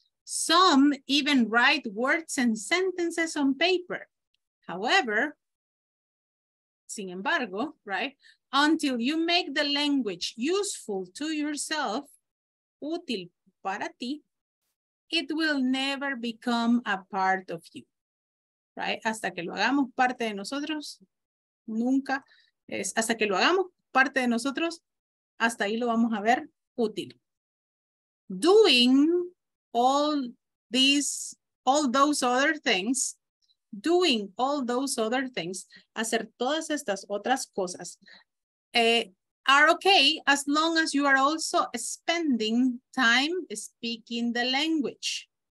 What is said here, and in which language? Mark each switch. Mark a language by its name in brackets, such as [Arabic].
[English] Some even write words and sentences on paper. However, [Spanish] sin embargo, [English] right, until you make the language useful to yourself, [Spanish] útil para ti, [English] it will never become a part of you, right? [Spanish] Hasta que lo hagamos parte de nosotros, nunca, es hasta que lo hagamos parte de nosotros, hasta ahí lo vamos a ver útil. [English] Doing all these, all those other things, doing all those other things, [Spanish] hacer todas estas otras cosas, [English] are okay as long as you are also spending time speaking the language.